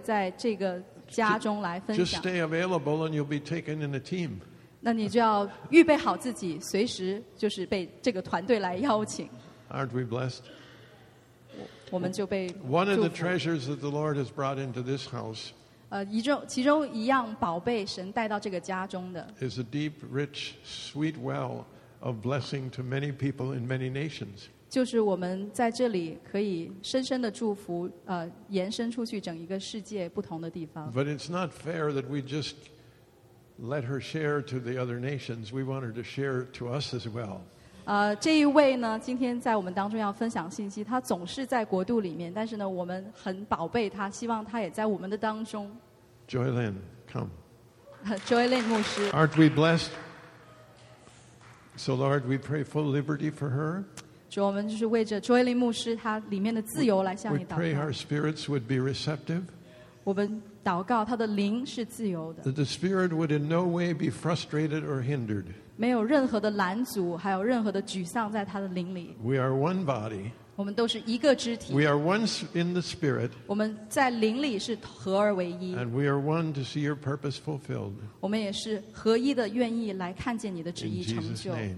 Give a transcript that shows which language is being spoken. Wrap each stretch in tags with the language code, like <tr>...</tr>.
<zh>如果你没有一个机会在这个家中来分享</zh> <en>Just stay available and you'll be taken in a team</en> <zh>那你就要预备好自己 随时就是被这个团队来邀请</zh> <en>Aren't we blessed?</en> <zh>我们就被祝福</zh> <en>One of the treasures that the Lord has brought into this house</en> <zh>其中一样宝贝神带到这个家中的</zh> <en>Is a deep, rich, sweet well of blessing to many people in many nations</en> <zh>就是我们在这里可以深深的祝福 延伸出去整一个世界不同的地方</zh> <en>But it's not fair that we just let her share to the other nations We want her to share to us as well</en> <zh>这一位呢 今天在我们当中要分享信息 她总是在国度里面 但是呢 我们很宝贝她 希望她也在我们的当中</zh> <en>Joy Lynn, come</en> <zh>Joy Lynn牧师</zh> <en>Aren't we blessed? So Lord, we pray full liberty for her</en> <zh>主，我们就是为着Joy牧师他里面的自由来向你祷告。</zh> <en>We pray our spirits would be receptive.</en> <zh>我们祷告他的灵是自由的。</zh> <en>That the spirit would in no way be frustrated or hindered.</en> <zh>没有任何的拦阻，还有任何的沮丧在他的灵里。</zh> <en>We are one body.</en> <zh>我们都是一个肢体。</zh> <en>We are one in the spirit.</en> <zh>我们在灵里是合而为一。</zh> <en>And we are one to see your purpose fulfilled.</en> <zh>我们也是合一的愿意来看见你的旨意成就。</zh>